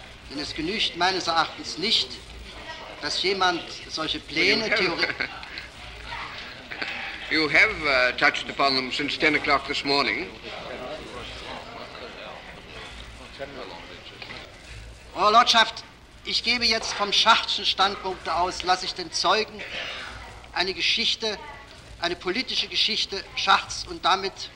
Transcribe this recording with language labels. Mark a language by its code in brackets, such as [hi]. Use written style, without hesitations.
[de] Denn es genügt meines Erachtens nicht, dass jemand solche Pläne theoretisch... [en] You have touched upon them since 10 o'clock this morning. [de] Eure Lordschaft, ich gebe jetzt vom Schachtschen Standpunkt aus, lasse ich den Zeugen eine Geschichte, eine politische Geschichte Schachts und damit...